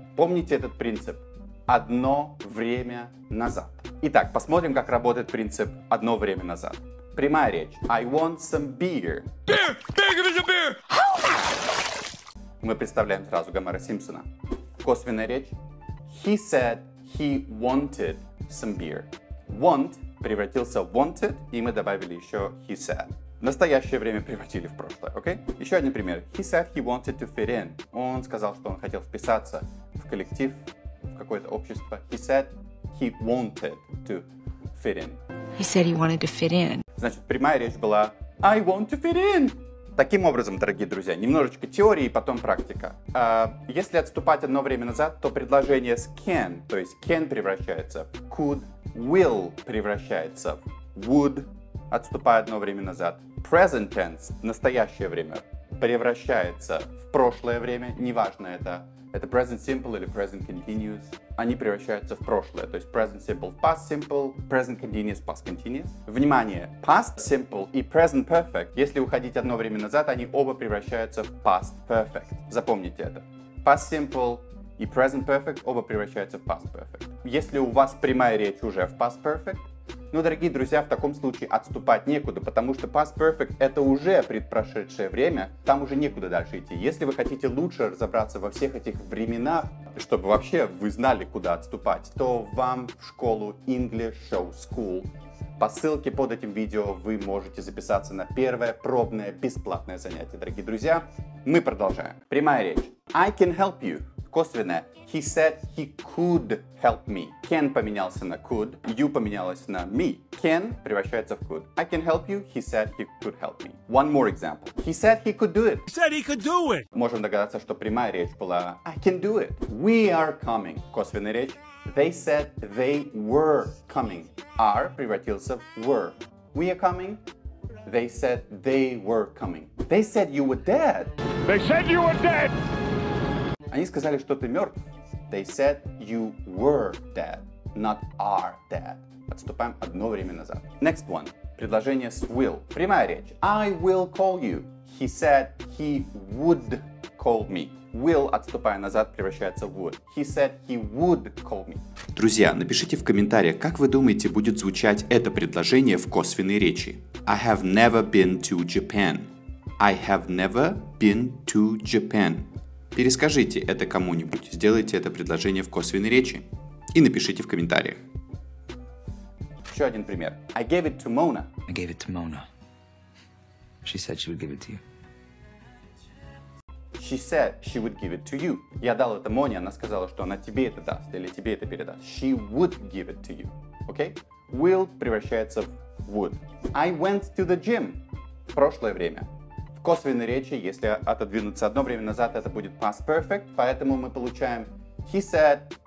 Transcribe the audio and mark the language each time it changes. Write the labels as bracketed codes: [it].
[ru] Помните этот принцип? Одно время назад. Итак, посмотрим, как работает принцип «одно время назад». Прямая речь. [en] I want some beer. Beer! Beer! Beer! Beer! [ru] Мы представляем сразу Гомера Симпсона. Косвенная речь. [en] He said he wanted some beer. [ru] Want превратился в wanted, и мы добавили еще [en] he said. [ru] Настоящее время превратили в прошлое, окей? [en] Okay? [ru] Еще один пример. [en] He said he wanted to fit in. [ru] Он сказал, что он хотел вписаться в коллектив, в какое-то общество. [en] He said he wanted to fit in. He said he wanted to fit in. [ru] Значит, прямая речь была [en] I want to fit in. [ru] Таким образом, дорогие друзья, немножечко теории, потом практика. Если отступать одно время назад, то предложение с can, то есть can превращается в could, will превращается в would, отступая одно время назад. Present tense, настоящее время, превращается в прошлое время, неважно это. Это present simple или present continuous. Они превращаются в прошлое. То есть present simple в past simple, present continuous past continuous. Внимание! Past simple и present perfect, если уходить одно время назад, они оба превращаются в past perfect. Запомните это. Past simple и present perfect оба превращаются в past perfect. Если у вас прямая речь уже в past perfect, ну, дорогие друзья, в таком случае отступать некуда, потому что past perfect — это уже предпрошедшее время, там уже некуда дальше идти. Если вы хотите лучше разобраться во всех этих временах, чтобы вообще вы знали, куда отступать, то вам в школу English Show School. По ссылке под этим видео вы можете записаться на первое пробное бесплатное занятие, дорогие друзья. Мы продолжаем. Прямая речь. [en] I can help you. [ru] Косвенное. [en] He said he could help me. [ru] Can поменялся на could. You поменялось на me. Can превращается в could. [en] I can help you. He said he could help me. One more example. He said he could do it. He said he could do it. [ru] Можем догадаться, что прямая речь была [en] I can do it. We are coming. [ru] Косвенная речь. [en] They said they were coming. [ru] Are превратился в were. [en] We are coming. They said they were coming. They said you were dead. They said you were dead. [ru] Они сказали, что ты мертв. [en] They said you were dead, not are dead. [ru] Отступаем одно время назад. [en] Next one. [ru] Предложение с will. Прямая речь. [en] I will call you. He said he would call me. [ru] Will, отступая назад, превращается в would. [en] He said he would call me. [ru] Друзья, напишите в комментариях, как вы думаете, будет звучать это предложение в косвенной речи. [en] I have never been to Japan. I have never been to Japan. [ru] Перескажите это кому-нибудь, сделайте это предложение в косвенной речи и напишите в комментариях. Еще один пример. [en] I gave it to Mona. I gave it to Mona. She said she would give it to you. She said she would give it to you. [ru] Я дал это Моне, она сказала, что она тебе это даст или тебе это передаст. [en] She would give it to you. Okay? [ru] Will превращается в would. [en] I went to the gym. [ru] Прошлое время. В косвенной речи, если отодвинуться одно время назад, это будет past perfect, поэтому мы получаем [en] he said,